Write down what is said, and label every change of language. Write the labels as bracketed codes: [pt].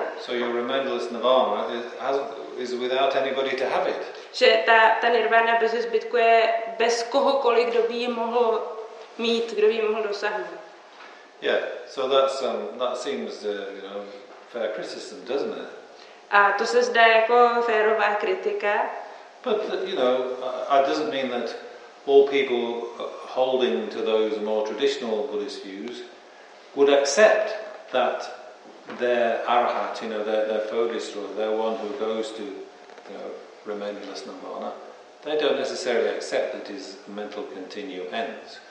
[en] So your remainderless nirvana is without anybody to have it. [cs] Že ta nirvána bez zbytku je bez kohokoliv, kdo by ji mohl mít, kdo by ji mohl dosáhnout. [en] Yeah, so that seems fair criticism, doesn't it? [cs] A to se zdá jako férová kritika. [en] But it doesn't mean that all people holding to those more traditional Buddhist views would accept that their arahat, you know, their bodhisattva, or their one who goes to, you know, remainderless nirvana, they don't necessarily accept that his mental continuum ends.